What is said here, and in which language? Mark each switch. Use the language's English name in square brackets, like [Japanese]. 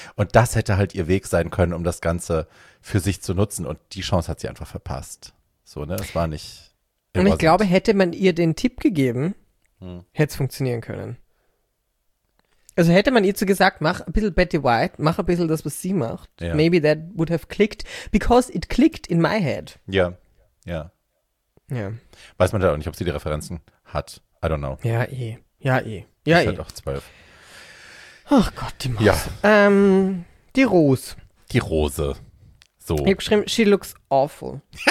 [German] Und das hätte halt ihr Weg sein können, um das Ganze für sich zu nutzen und die Chance hat sie einfach verpasst. So, ne? Es war nicht immer. Und ich glaube, hätte man ihr den Tipp gegeben, hätte es funktionieren können. Also hätte man ihr zu gesagt, mach ein bisschen Betty White, mach ein bisschen das, was sie macht. Ja. [English] Maybe that would have clicked, because it clicked in my head. [German] Ja, ja. Ja. Weiß man da auch nicht, ob sie die Referenzen hat. [English] I don't know. [German] Ja, eh. Ja, eh. Ja, ist halt auch 12. Ach Gott, die Maus. Ja. Die Rose. Die Rose. So. Ich hab geschrieben, [English] she looks awful.